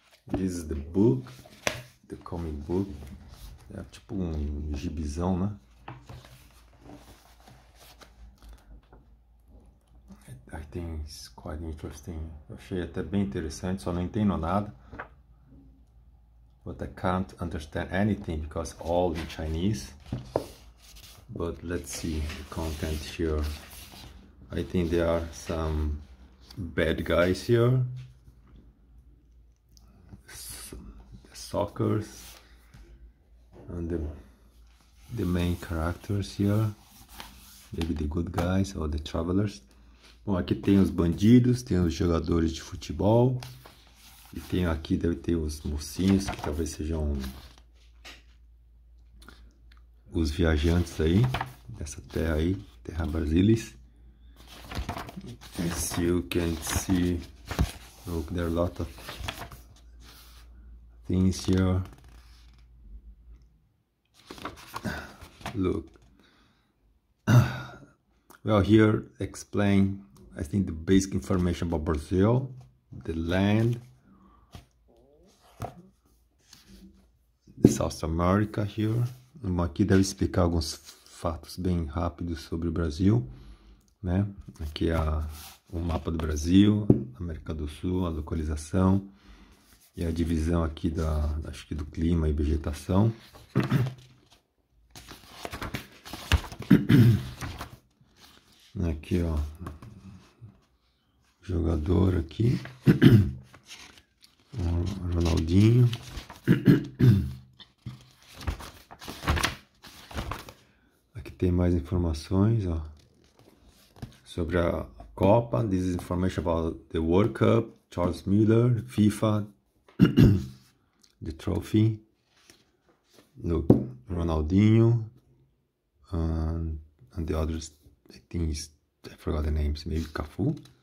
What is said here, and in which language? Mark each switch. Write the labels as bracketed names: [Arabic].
[English] This is the book, the comic book. [Portuguese] É tipo um gibizão, né? Aí tem esse quadrinho que eu achei até bem interessante, só não entendo nada. [English] But I can't understand anything because all in Chinese. But let's see the content here. I think there are some bad guys here. Sockers. And the main characters here. Maybe the good guys or the travelers. [Portuguese] Bom, aqui tem os bandidos, tem os jogadores de futebol. E tem aqui, deve ter os mocinhos, que talvez sejam os viajantes aí, dessa terra aí, terra Brasilis. [English] As you can see, look, there are a lot of things here. Look. Well, here explain. I think the basic information about Brazil, the land, South America here. [Portuguese] Aqui deve explicar alguns fatos bem rápidos sobre o Brasil, né? Aqui é o mapa do Brasil, América do Sul, a localização e a divisão aqui acho que do clima e vegetação. Aqui, ó. Jogador aqui, Ronaldinho. Aqui tem mais informações, ó, sobre a Copa. [English] This is information about the World Cup, Charles Miller, FIFA, the trophy. Look, Ronaldinho, and the others, I think I forgot the names, maybe Cafu.